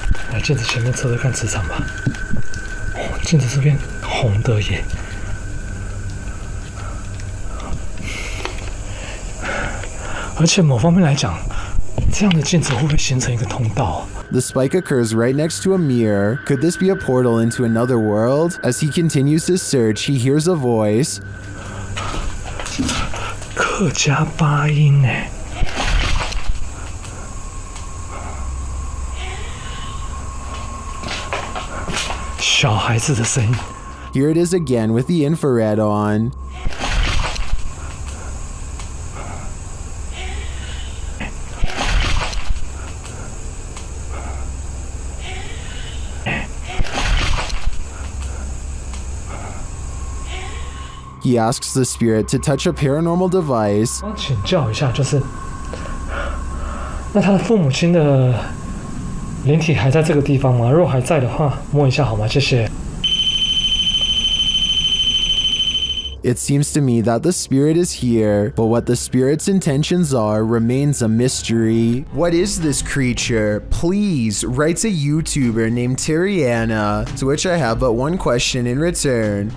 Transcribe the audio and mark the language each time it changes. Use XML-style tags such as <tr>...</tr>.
<zh>来镜子前面测测看磁场吧, 镜子这边红的耶, 而且某方面来讲, 这样的镜子会不会形成一个通道啊?</zh> <en>The spike occurs right next to a mirror. Could this be a portal into another world? As he continues his search, he hears a voice.</en> <zh>客家八音耶。小孩子的声音。</zh> <en>Here it is again with the infrared on. He asks the spirit to touch a paranormal device.</en> <zh>请教一下，就是 那他父母亲的 灵体还在这个地方吗？若还在的话， 摸一下好吗？谢谢。</zh> <en>It seems to me that the spirit is here, but what the spirit's intentions are remains a mystery. What is this creature? Please, writes a YouTuber named Tiriana, to which I have but one question in return.</en>